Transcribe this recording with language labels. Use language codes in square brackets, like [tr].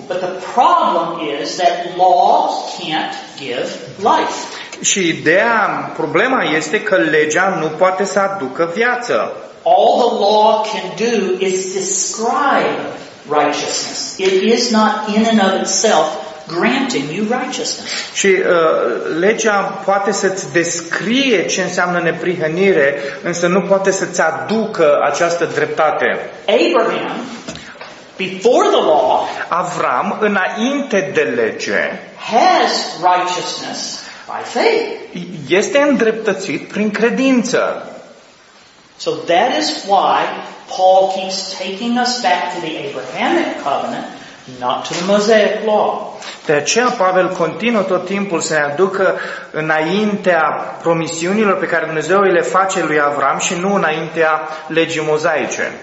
[en] But the problem is that laws can't give life. [ro] Și ideea, problema este că legea nu poate să aducă viață. [en] All the law can do is describe righteousness. It is not in and of itself granting you righteousness. [ro] Și legea poate să-ți descrie ce înseamnă neprihănire, însă nu poate să-ți aducă această dreptate. [en] Abraham, before the law, [ro] Avram, înainte de lege, [en] has righteousness by faith. [ro] Este îndreptățit prin credință. [en] So that is why Paul keeps taking us back to the Abrahamic covenant, not to the Mosaic law. [ro] De aceea Pavel continuă tot timpul să ne aducă înaintea promisiunilor pe care Dumnezeu le face lui Avram și nu înaintea legii mozaice.